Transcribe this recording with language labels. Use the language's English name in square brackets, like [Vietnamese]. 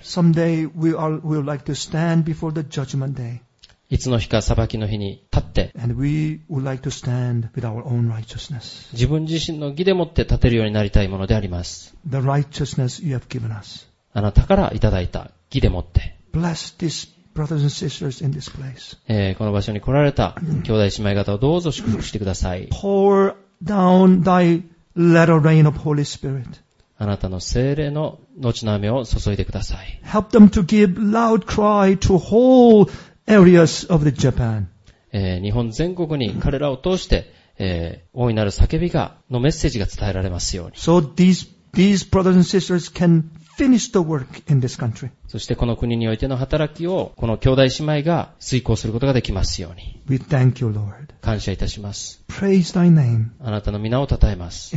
[English] Someday we'll like to stand before the judgment day. [Japanese] いつの日か裁きの日に立って。 [English] And we would like to stand with our own righteousness. [Japanese] 自分自身の義でもって立てるようになりたいものであります。 [English] The righteousness you have given us. [Japanese] あなたからいただいた義でもって。 [English] Bless these brothers and sisters in this place. [Japanese] この場所に来られた兄弟姉妹方をどうぞ祝福してください。 [English] Pour down thy little rain of Holy Spirit. [Japanese] あなたの聖霊の後の雨を注いでください。 [English] Help them to give loud cry to whole areas of the Japan. [Japanese] 日本全国に彼らを通して、大いなる叫びが、のメッセージが伝えられますように。 [English] So these brothers and sisters canFinish the work in this country. [Japanese] そしてこの国においての働きをこの兄弟姉妹が遂行することができますように。 [English] We thank you, Lord. [Japanese] 感謝いたします。 [English] Praise thy name. [Japanese] あなたの名を称えます。